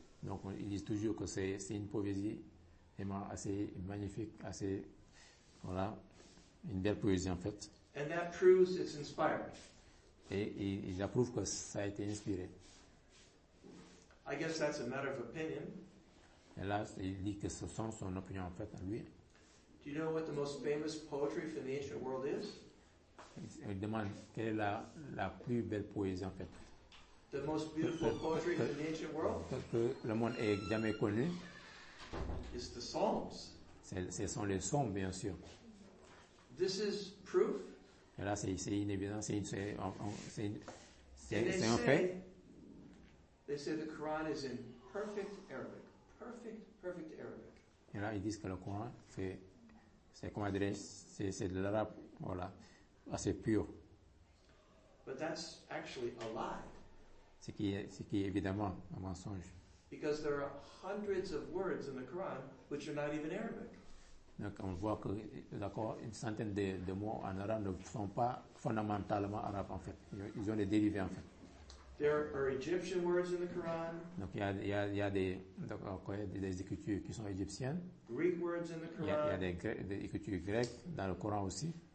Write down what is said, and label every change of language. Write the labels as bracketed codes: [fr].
[fr] Donc, ils disent toujours que c'est une poésie vraiment assez magnifique, assez, voilà, une belle poésie, en fait. [en] And that proves it's inspired. [fr] Et ils approuvent que ça a été inspiré. [en] I guess that's a matter of opinion. [fr] Et là, il dit que ce sont son opinion, en fait, à lui. [en] Do you know what the most famous poetry from the ancient world is? [fr] Il demande, quelle est la plus belle poésie, en fait? [en] The most beautiful poetry in the ancient world. [fr] Que le monde ait jamais connu. [en] It's the Psalms. [fr] Ce sont les psaumes, bien sûr. [en] This is proof. [fr] Et là, c'est une évidence. C'est un fait. [en] They say the Quran is in perfect Arabic. Perfect, perfect Arabic. [fr] Et là, ils disent que le Coran c'est de l'arabe, voilà, assez pur. [en] But that's actually a lie. [fr] Ce qui est évidemment un mensonge. [en] Because there are hundreds of words in the Quran which are not even Arabic. [fr] Donc on voit que, d'accord, une centaine de mots en arabe ne sont pas fondamentalement arabes, en fait. Ils ont des dérivés, en fait. [en] There are Egyptian words in the Quran. [fr] Donc il y a des écritures qui sont égyptiennes. [en] Greek words in the Quran. [fr] Il y a des écritures grecques dans le Coran aussi.